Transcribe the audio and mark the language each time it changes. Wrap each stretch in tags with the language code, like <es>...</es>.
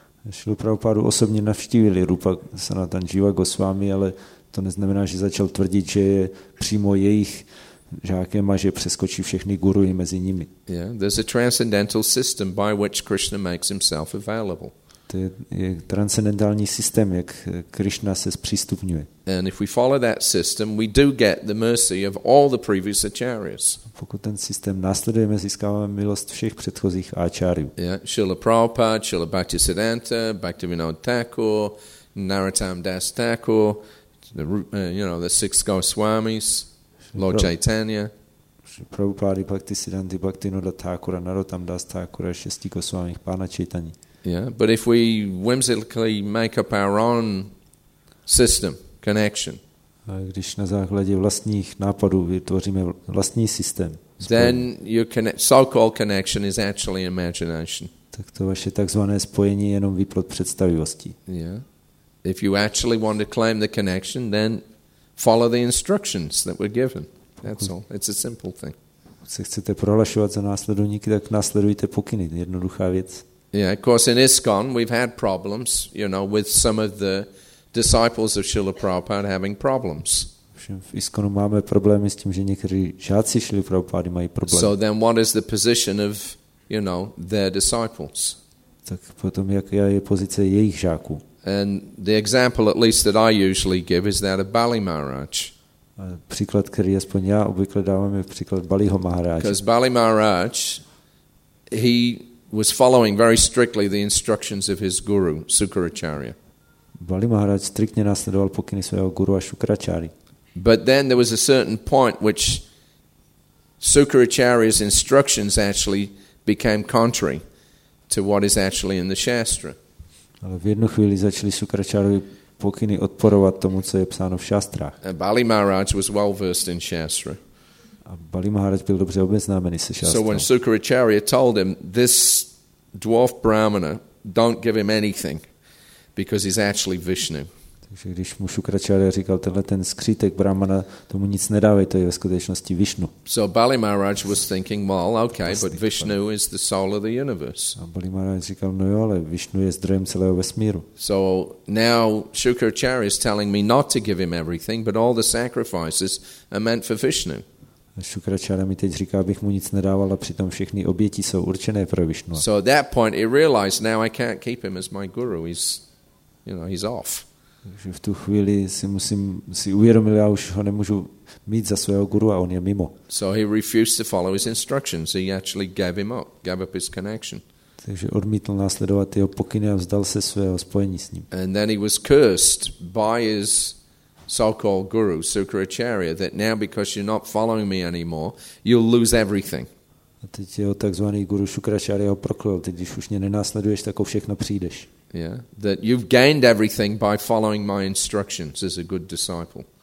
<cs>Srila Prabhupada osobně navštívili Rupa Sanatan Jiva Goswami, ale to neznamená, že začal tvrdit, že je přímo jejich žákem a že přeskočí všechny guruji mezi nimi.</cs> <en>Yeah, there's a transcendental system by which Krishna makes himself available.</en> <cs>To je transcendentální systém, jak Krishna se zpřístupňuje.</cs> <en>And if we follow that system, we do get the mercy of all the previous acharyas.</en> <cs>Pokud ten systém následujeme, získáváme milost všech předchozích áčáriů.</cs> <en>Yeah, Srila Prabhupada, Srila Bhaktisiddhanta, Bhaktivinoda Thakur, Narottam Das Thakur, the six Goswamis, Lord Chaitanya.</en> <cs>Prabhupada, Bhaktisiddhanta, Bhaktivinoda Thakura, Narottam Das Thakura, šestí Goswamis, Pána Chaitanyi.</cs> <en>Yeah, but if we whimsically make up our own system, connection,</en> <cs>když na základě vlastních nápadů vytvoříme vlastní systém,</cs> <en>then your so-called connection is actually imagination.</en> <cs>Tak to vaše takzvané spojení je jenom výplod představivosti.</cs> <en>Yeah. If you actually want to claim the connection, then follow the instructions that were given. That's all. It's a simple thing.</en> <cs>Se chcete prohlašovat za následovníky, tak následujte pokyny. Jednoduchá věc.</cs> <en>Yeah, of course, in ISKCON we've had problems, you know, with some of the disciples of Srila Prabhupada having problems.</en> <cs>V ISKCONu máme problémy s tím, že někteří žáci Srila Prabhupády mají problémy.</cs> <en>So then what is the position of, you know, their disciples?</en> <cs>Tak potom jaká je pozice jejich žáků?</cs> <en>And the example at least that I usually give is that of Bali Maharaj.</en> <cs>Příklad, který aspoň já obvykle dávám, je příklad Baliho Maharaj.</cs> <en>Because Bali Maharaj, he was following very strictly the instructions of his guru Sukracharya.</en> <cs>Bali Maharaj striktně následoval pokyny svého guru a Shukracharya.</cs> <en>But then there was a certain point which Sukracharya's instructions actually became contrary to what is actually in the Shastra.</en> <cs>Ale v jednu chvíli začali Sukracharyovi pokyny odporovat tomu, co je psáno v šastrách.</cs> <en>A Bali Maharaj was well versed in Shastra.</en> <cs>A Bali Maharaj byl dobře obeznámený se šastrou.</cs> <en>So when Sukracharya told him, this dwarf brahmana, don't give him anything, because he's actually Vishnu.</en> <cs>Takže když mu Sukracharya říkal, tenhle ten skřítek brahmana, tomu nic nedávej, to je ve skutečnosti Vishnu.</cs> <en>So Bali Maharaj was thinking, well, okay, but Vishnu is the soul of the universe.</en> <cs>A Bali Maharaj říkal, no jo, ale Vishnu je zdrojem celého vesmíru.</cs> <en>So now Sukracharya is telling me not to give him everything, but all the sacrifices are meant for Vishnu.</en> <cs>A Sukracharya mi teď říká, abych mu nic nedával, a přitom všechny oběti jsou určené pro Vishnu.</cs> <en>So at that point he realized, now I can't keep him as my guru, he's, you know, he's off.</en> <cs>Takže v tu chvíli si uvědomil, já už ho nemůžu mít za svého guru a on je mimo.</cs> <en>So he refused to follow his instructions, he actually gave him up, gave up his connection.</en> <cs>Takže odmítl následovat jeho pokyny a vzdal se svého spojení s ním.</cs> <en>And then he was cursed by his so-called guru, Sukracharya, that now because you're not following me anymore, you'll lose everything.</en> <cs>A teď jeho takzvaný guru Sukracharya ho proklil, teď když už mě nenásleduješ, tak o všechno přijdeš.</cs> <en>Yeah, that you've gained everything by following my instructions as a good disciple.</en>